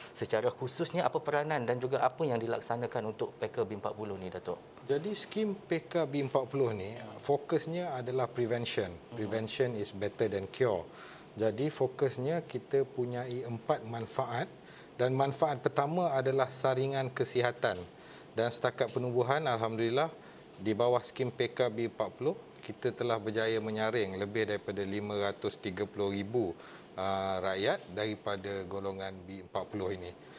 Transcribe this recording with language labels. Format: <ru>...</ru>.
<ms>Secara khususnya apa peranan dan juga apa yang dilaksanakan untuk Packer B40 ni Datuk? Jadi skim Packer B40 ni fokusnya adalah prevention.</ms> <en>Prevention is better than cure.</en> <ms>Jadi fokusnya kita punya empat manfaat, dan manfaat pertama adalah saringan kesihatan. Dan setakat penubuhan, alhamdulillah, di bawah skim PKB 40 kita telah berjaya menyaring lebih daripada 530,000 rakyat daripada golongan B40 ini.</ms>